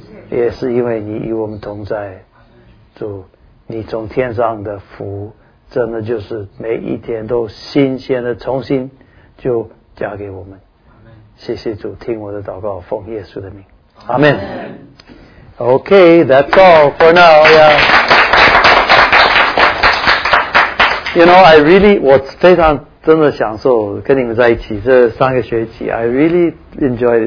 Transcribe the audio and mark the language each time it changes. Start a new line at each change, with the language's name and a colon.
Chinese: 也是因为你与我们同在，就你从天上的福真的就是每一天都新鲜的重新就加给我们，谢谢主，听我的祷告，奉耶稣的名，阿们。
English: OK, that's all for now、yeah. You know, I really
Chinese: 我非常真的享受跟你们在一起这三个学期，
English: I really enjoyed it.